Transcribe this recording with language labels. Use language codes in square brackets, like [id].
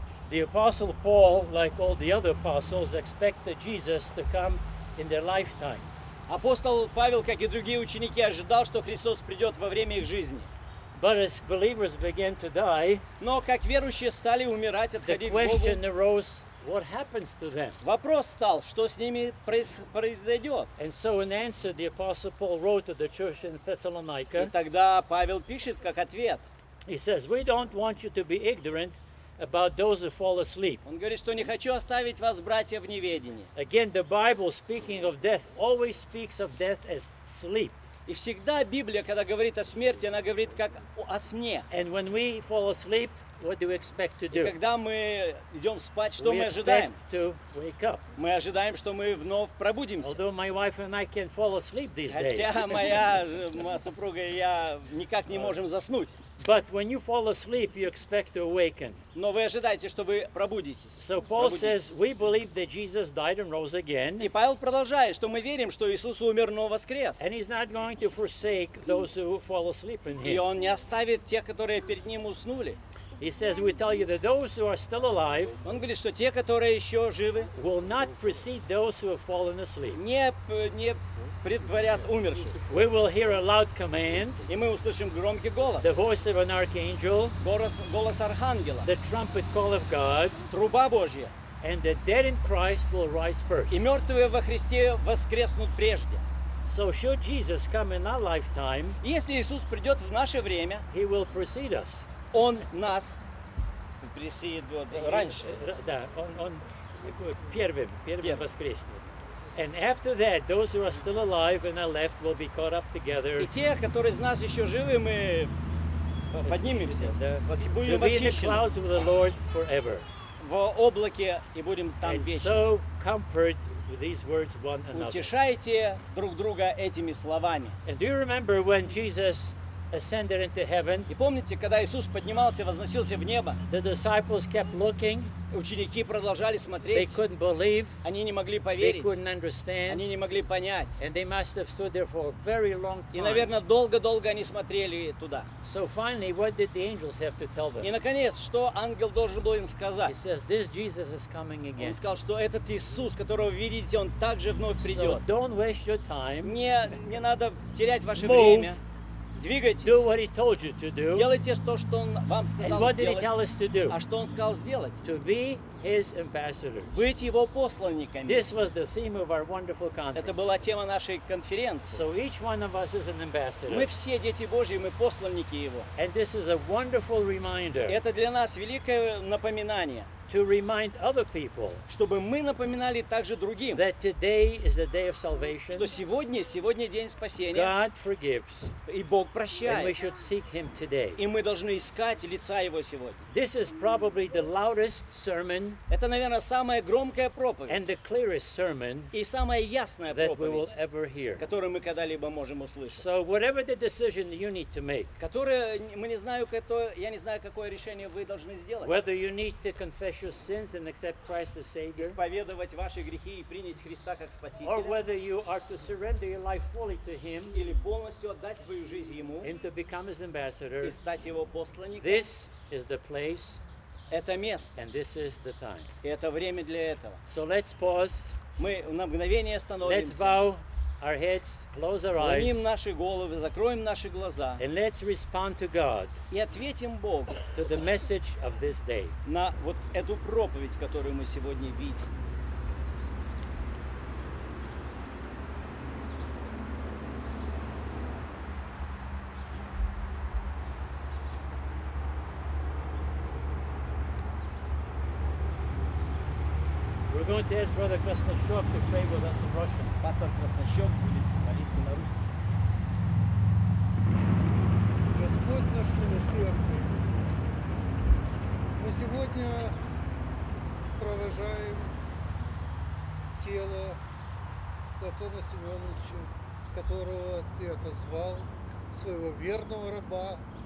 [en] The Apostle Paul, like all the other apostles, expected Jesus to come in their lifetime. [ru] Апостол Павел, как и другие ученики, ожидал, что Христос придет во время их жизни. [en] But as believers began to die, [ru] но как верующие стали умирать, отходить к Богу, [en] the question arose, what happens to them? [ru] Вопрос стал, что с ними произойдет? [en] And so in answer, the Apostle Paul wrote to the church in Thessalonica. [ru] И тогда Павел пишет как ответ. [en] He says, we don't want you to be ignorant about those who fall asleep. [ru] Он говорит, что не хочу оставить вас, братья, в неведении. [en] Again, the Bible, speaking of death, always speaks of death as sleep. [ru] И всегда Библия, когда говорит о смерти, она говорит как о сне. [en] And when we fall asleep, what do we expect to do? [ru] И когда мы идем спать, что мы ожидаем? [en] To wake up. [ru] Мы ожидаем, что мы вновь пробудимся. [en] Although my wife and I can fall asleep these days. [ru] Хотя моя супруга и я никак не можем заснуть. [en] But when you fall asleep, you expect to awaken. [ru] Но вы ожидаете, что вы пробудитесь. [en] So Paul says, we believe that Jesus died and rose again. [ru] И Павел продолжает, что мы верим, что Иисус умер, но воскрес. [en] And he's not going to forsake those who fall asleep in him. [ru] И он не оставит тех, которые перед ним уснули. [en] He says, we tell you that those who are still alive, [ru] он говорит, что те, которые еще живы, [en] will not precede those who have fallen asleep. [ru] Не предварят умерших. [en] We will hear a loud command, [ru] и мы услышим громкий голос, [en] the voice of an archangel, [ru] голос архангела, [en] the trumpet call of God, [ru] труба Божья, [en] and the dead in Christ will rise first. [ru] И мертвые во Христе воскреснут прежде. [en] So should Jesus come in our lifetime, [ru] если Иисус придет в наше время, [en] he will precede us. [ru] Он нас преследует раньше. Да, он первым воскреснет. [en] And after that, those who are still alive and are left will be caught up together. [ru] И те, которые из нас еще живы, мы поднимемся. Будем восхищены. [en] To be in the clouds with the Lord forever. [ru] В облаке и будем там вечно. [en] And so comfort these words one another. [ru] Утешайте друг друга этими словами. [en] And do you remember when Jesus ascended into heaven? [ru] И помните, когда Иисус поднимался, возносился в небо? [en] The disciples kept looking. [ru] Ученики продолжали смотреть. [en] They couldn't believe. [ru] Они не могли поверить. [en] They couldn't understand. [ru] Они не могли понять. [en] And they must have stood there for a very long time. [ru] И, наверное, долго-долго они смотрели туда. [en] So finally, what did the angels have to tell them? [ru] И, наконец, что ангел должен был им сказать? [en] He says, this Jesus is coming again. [ru] Он сказал, что этот Иисус, которого вы видите, он также вновь придет. [en] So don't waste your time. [ru] Не надо терять ваше [en] Move. [ru] Время. Двигайтесь. [en] Do what he told you to do. [ru] Делайте то, что он вам сказал [en] And what [ru] сделать. [en] Did he tell us to do? [ru] А что он сказал сделать? [en] To be his ambassadors. [ru] Быть его посланниками. [en] This was the theme of our wonderful conference. [ru] Это была тема нашей конференции. [en] So each one of us is an ambassador. [ru] Мы все дети Божьи, мы посланники его. [en] And this is a wonderful reminder. [ru] Это для нас великое напоминание. [en] To remind other people, [ru] чтобы мы напоминали также другим, [en] that today is the day of salvation, [ru] что сегодня день спасения, [en] God forgives, [ru] и Бог прощает, [en] and we should seek Him today. [ru] И мы должны искать лица Его сегодня. [en] This is probably the loudest sermon, [ru] это, наверное, самая громкая проповедь, [en] and the clearest sermon, [ru] и самая ясная проповедь, [en] that we will ever hear, [ru] которую мы когда-либо можем услышать. [en] So whatever the decision you need to make, [ru] которое мы не знаю, я не знаю, какое решение вы должны сделать, [en] whether you need to confess your sins and accept Christ as Savior, [ru] исповедовать ваши грехи и принять Христа как Спасителя, [en] or whether you are to surrender your life fully to Him, [ru] или полностью отдать свою жизнь Ему, [en] and to become His ambassador, [ru] и стать Его посланником, [en] this is the place, [ru] это место, [en] and this is the time, [ru] и это время для этого. [en] So let's pause, [ru] мы на мгновение остановимся, [en] let's bow our heads, close our eyes, [ru] склоним наши головы, закроем наши глаза, [en] and let's respond to God, [ru] и ответим Богу, [en] to the message of this day, [ru] на вот эту проповедь, которую мы сегодня видим. [en] We're going to ask Brother Krasnoshchuk to pray with us in Russian. [ru] Пастор Краснощек будет молиться на русском. Господь наш милосердный, мы сегодня провожаем тело Платона Семеновича, которого Ты отозвал, своего верного раба,